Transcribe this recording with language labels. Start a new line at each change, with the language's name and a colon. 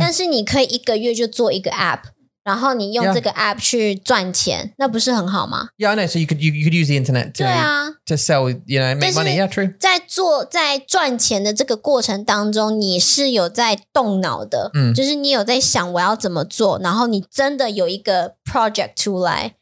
Chinese: 但是你可以一个月就做一个 app。然后你用这个app去赚钱，
English: yeah.
Chinese: 那不是很好吗？
English: Yeah, I know. So you could use the internet to sell, you know, make money. Yeah, true.
Chinese: 在赚钱的这个过程当中， 你是有在动脑的， 就是你有在想我要怎么做， 然后你真的有一个project出来。